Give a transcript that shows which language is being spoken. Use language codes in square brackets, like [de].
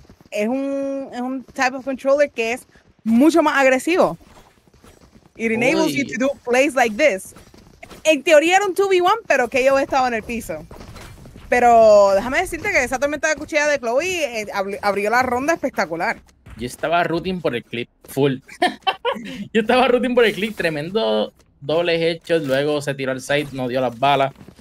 [es] Es un [en] type of controller [es] que es mucho más agresivo. [en] It enables you to do plays like this. [es] En teoría era un 2v1, pero que yo estaba en el piso. Pero déjame decirte que esa tormenta de cuchilla de Chloe abrió la ronda espectacular. Yo estaba rooting por el clip, full. Yo estaba rooting por el clip, tremendo doble headshot. Luego se tiró al side, no dio las balas.